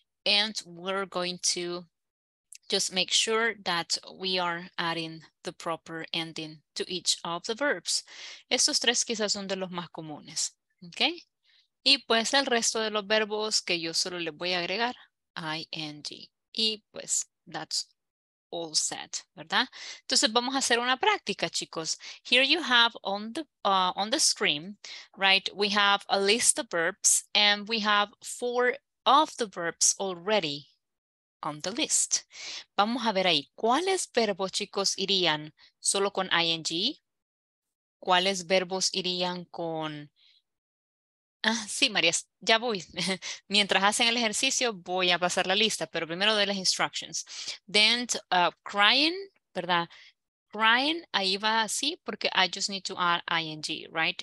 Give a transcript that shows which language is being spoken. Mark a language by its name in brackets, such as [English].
[English] And we're going to just make sure that we are adding the proper ending to each of the verbs. [Spanish] Estos tres quizás son de los más comunes, okay? Y pues el resto de los verbos que yo solo les voy a agregar, ing. Y pues that's [English] all set, [Spanish] ¿verdad? Entonces vamos a hacer una práctica, chicos. [English] Here you have on the screen, right? We have a list of verbs and we have four of the verbs already on the list. [Spanish] Vamos a ver ahí, ¿cuáles verbos, chicos, irían solo con ing? ¿Cuáles verbos irían con... Ah, sí, María, ya voy. Mientras hacen el ejercicio, voy a pasar la lista, pero primero doy las instructions. [English] Then, crying, ¿verdad? Crying, [Spanish] ahí va así, porque [English] I just need to add ing, right?